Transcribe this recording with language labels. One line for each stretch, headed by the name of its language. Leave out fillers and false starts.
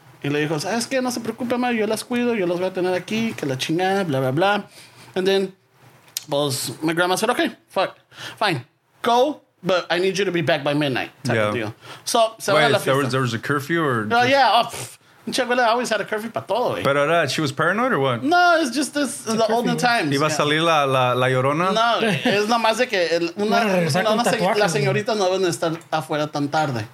Spanish: Y le dijo, es que no se preocupe, ma, yo las cuido, yo las voy a tener aquí, que la chingada, bla, bla, bla.
English: And then, my grandma said, okay, fine, go, but I need you to be back by midnight, type of deal. So, there was a curfew? Yeah, Chabela always had a curvy patolo. But she was paranoid or what? No, it's just this, it's the olden times.
Spanish: Iba a salir la llorona? No, es nada más de que la señorita no deben estar afuera tan tarde.